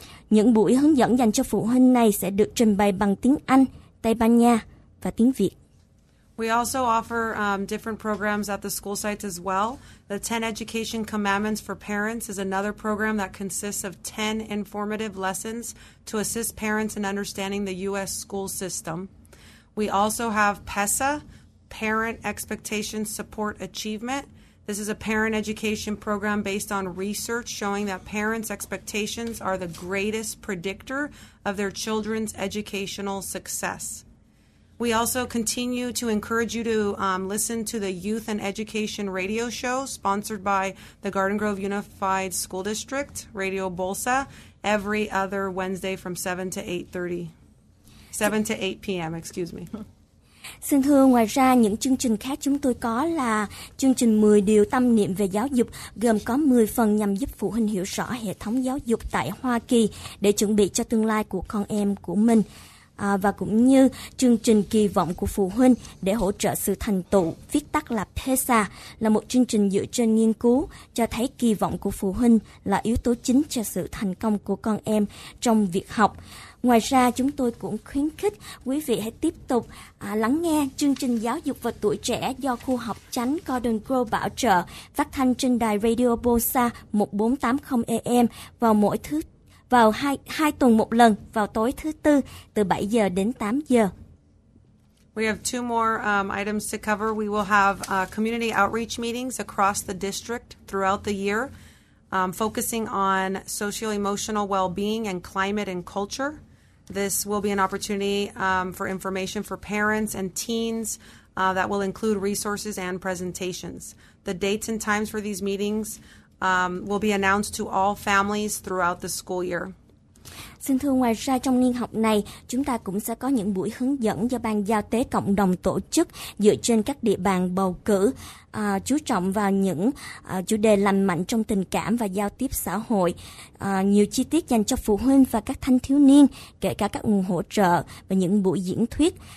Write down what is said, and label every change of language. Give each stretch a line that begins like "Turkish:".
Vietnamese: Những buổi hướng dẫn dành cho phụ huynh này sẽ được trình bày bằng tiếng Anh, Tây Ban Nha và tiếng Việt.
English: We also offer different programs at the school sites as well. The 10 Education Commandments for Parents is another program that consists of 10 informative lessons to assist parents in understanding the U.S. school system. We also have PESA, Parent Expectation Support Achievement. This is a parent education program based on research showing that parents' expectations are the greatest predictor of their children's educational success. We also continue to encourage you to listen to the Youth and Education radio show sponsored by the Garden Grove Unified School District, Radio Bolsa, every other Wednesday from 7 to 8 p.m. Excuse me.
Vietnamese: Xin thưa, ngoài ra những chương trình khác chúng tôi có là chương trình 10 điều tâm niệm về giáo dục, gồm có 10 phần nhằm giúp phụ huynh hiểu rõ hệ thống giáo dục tại Hoa Kỳ để chuẩn bị cho tương lai của con em của mình. Và cũng như chương trình kỳ vọng của phụ huynh để hỗ trợ sự thành tựu, viết tắt là PESA, là một chương trình dựa trên nghiên cứu cho thấy kỳ vọng của phụ huynh là yếu tố chính cho sự thành công của con em trong việc học. Ngoài ra, chúng tôi cũng khuyến khích quý vị hãy tiếp tục lắng nghe chương trình giáo dục và tuổi trẻ do khu học chánh Garden Grove bảo trợ phát thanh trên đài Radio Bosa 1480 AM vào mỗi thứ vào hai tuần một lần vào tối thứ tư từ 7 giờ đến 8 giờ.
English: We have two more items to cover. We will have community outreach meetings across the district throughout the year, focusing on socio-emotional well-being and climate and culture. This will be an opportunity for information for parents and teens that will include resources and presentations. The dates and times for these meetings will be announced to all families throughout the school year.
Vietnamese: Xin thưa, ngoài ra trong niên học này, chúng ta cũng sẽ có những buổi hướng dẫn do Ban Giao tế Cộng đồng tổ chức dựa trên các địa bàn bầu cử, chú trọng vào những chủ đề lành mạnh trong tình cảm và giao tiếp xã hội, nhiều chi tiết dành cho phụ huynh và các thanh thiếu niên, kể cả các nguồn hỗ trợ và những buổi diễn thuyết.